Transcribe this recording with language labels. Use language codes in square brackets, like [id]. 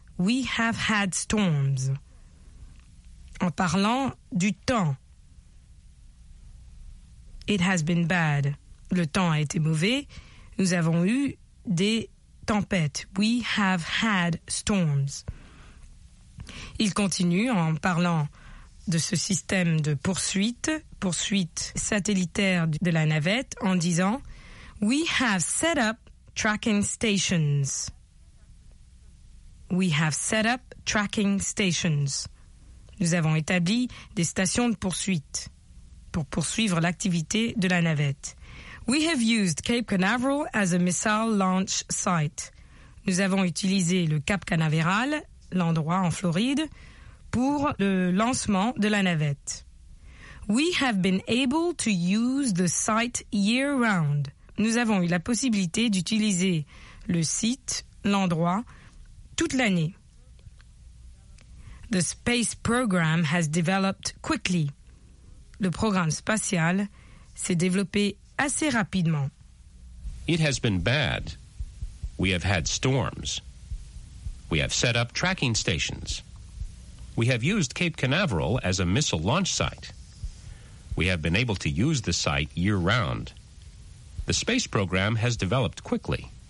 [en] We have had storms. » [fr] En parlant du temps. « [en] It has been bad. [fr] » Le temps a été mauvais. Nous avons eu des tempête. [en] We have had storms. [fr] Il continue en parlant de ce système de poursuite satellitaire de la navette, en disant [en] We have set up tracking stations. We have set up tracking stations. [fr] Nous avons établi des stations de poursuite pour poursuivre l'activité de la navette. [en] We have used Cape Canaveral as a missile launch site. [fr] Nous avons utilisé le Cap Canaveral, l'endroit en Floride, pour le lancement de la navette. [en] We have been able to use the site year-round. [fr] Nous avons eu la possibilité d'utiliser le site, l'endroit, toute l'année. [en] The space program has developed quickly. [fr] Le programme spatial s'est développé assez rapidement. [en] It has been bad. We have had storms. We have set up tracking stations. We have used Cape Canaveral as a missile launch site. We have been able to use the site year-round. The space program has developed quickly.